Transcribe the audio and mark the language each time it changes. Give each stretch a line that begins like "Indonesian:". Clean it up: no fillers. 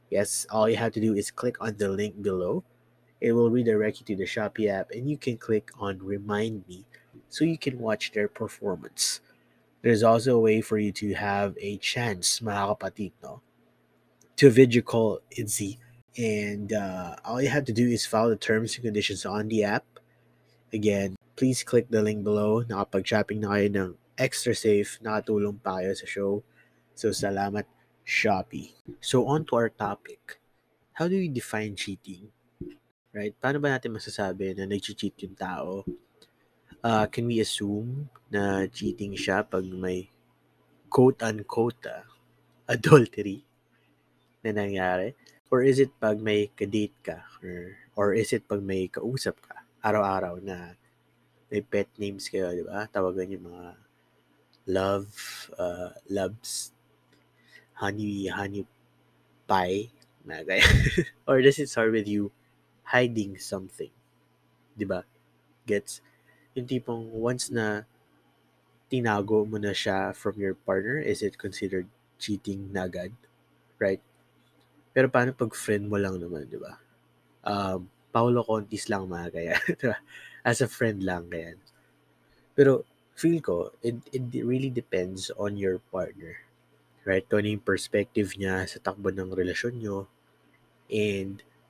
English: Yes, all you have to do is click on the link below. It will redirect you to the Shopee app and you can click on Remind Me so you can watch their performance. There's also a way for you to have a chance,
Filipino: mga kapatid, no?
English: To video call ITZY. And all you have to do is follow the terms and conditions on the app. Again, please click the link below.
Filipino: Nakapag-shopping na kayo ng extra safe. Nakatulong pa kayo sa show.
English: So salamat, Shopee. So on to our topic. How do you define cheating? Right?
Filipino: Paano ba natin masasabi na nag-cheat yung tao?
English: Can we assume
Filipino: na cheating siya pag may quote-unquote adultery na nangyari?
English: Or is it
Filipino: pag may kadate ka? Or is it pag may kausap ka araw-araw na may pet names kayo, di ba? Tawagan yung mga love, loves, honey pie, mga gaya.
English: Or does it start with you hiding something?
Filipino: Diba? Gets? Yung tipong once na tinago mo na siya
English: from your partner, is it considered cheating
Filipino: na agad? Right? Pero paano pag friend mo lang naman, diba? Paolo Contis lang, mga gaya. Diba? As a friend lang, ganyan. Pero feel ko,
English: it really depends on your partner.
Filipino: Right? Ito na yung perspective niya sa takbo ng relasyon nyo. And